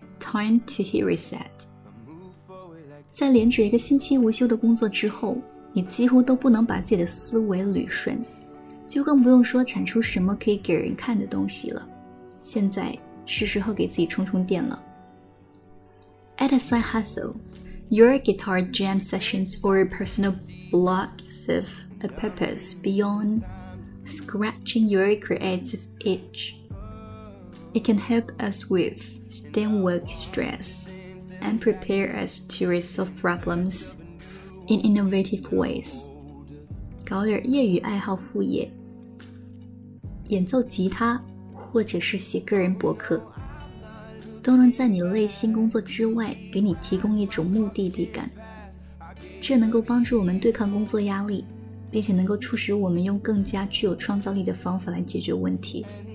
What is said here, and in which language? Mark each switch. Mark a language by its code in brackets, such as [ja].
[en] Time to hit reset. [zh] 在连着一个星期无休的工作之后，你几乎都不能把自己的思维捋顺，就更不用说产出什么可以给人看的东西了。现在是时候给自己充充电了。 [en] At a side hustle, your guitar jam sessions or a personal blog serve a purpose beyond scratching your creative itch. It can help us with stem work stress and prepare us to resolve problems in innovative ways. [zh] 搞点业余爱好副业，演奏吉他或者是写个人博客，都能在你累心工作之外给你提供一种目的地感，这能够帮助我们对抗工作压力，并且能够促使我们用更加具有创造力的方法来解决问题。